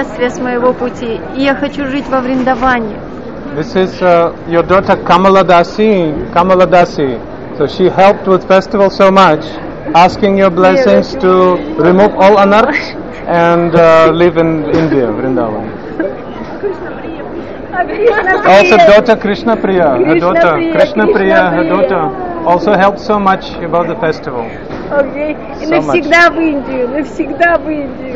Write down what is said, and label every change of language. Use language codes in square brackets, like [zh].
[ru] своего пути, и я хочу жить во Вриндаване. [en] This is your daughter Kamala Dasi. Kamala Dasi. So she helped with festival so much, asking your blessings to remove all anarch and live in India, Vrindavan. Also daughter Krishna Priya, her daughter, Krishna Priya, her daughter, also helped so much about the festival. Okay, and [ru] навсегда в Индию, навсегда в Индию.